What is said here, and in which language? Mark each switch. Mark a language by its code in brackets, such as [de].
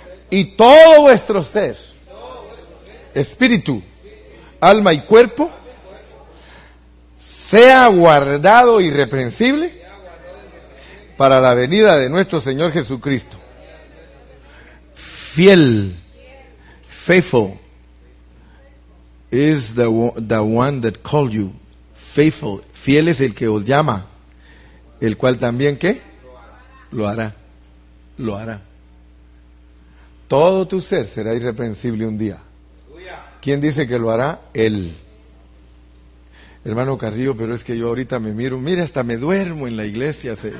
[es] Y todo vuestro ser, espíritu, alma y cuerpo, sea guardado irreprensible para la venida de nuestro Señor Jesucristo. [en] Fiel, faithful, is the one that called you. [es] Faithful, fiel es el que os llama, el cual también, ¿qué? Lo hará, lo hará. Todo tu ser será irreprensible un día. ¿Quién dice que lo hará? Él. Hermano Carrillo, pero es que yo ahorita me miro, mire, hasta me duermo en la iglesia.